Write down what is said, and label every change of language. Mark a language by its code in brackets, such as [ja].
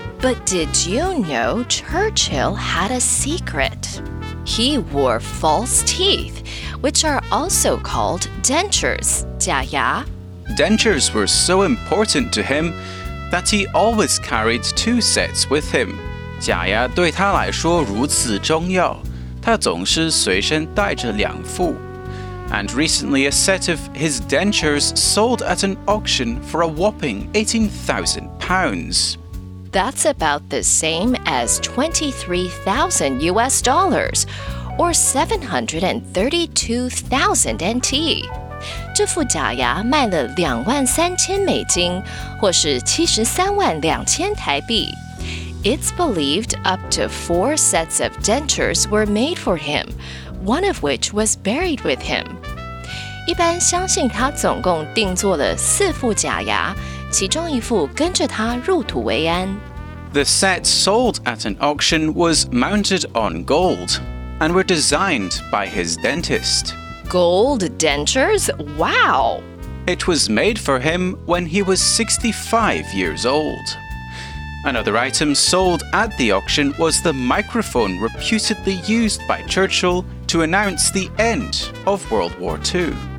[en] But did you know Churchill had a secret? He wore false teeth, which are also called dentures, 假牙. Dentures were so important to him that he always carried 2 sets with him. [zh] 假牙对他来说如此重要，他总是随身带着两副。 [en] And recently a set of his dentures sold at an auction for a whopping £18,000. That's about the same as $23,000, or 732,000 NT. [zh] 这副假牙卖了23,000美金，或是73,200台币。 [en] It's believed up to 4 sets of dentures were made for him, one of which was buried with him. [zh] 一般相信他总共定做了4副假牙，其中一副跟着他入土为安。 [en] The set sold at an auction was mounted on gold and were designed by his dentist. Gold dentures? Wow! It was made for him when he was 65 years old. Another item sold at the auction was the microphone reputedly used by Churchill to announce the end of World War II.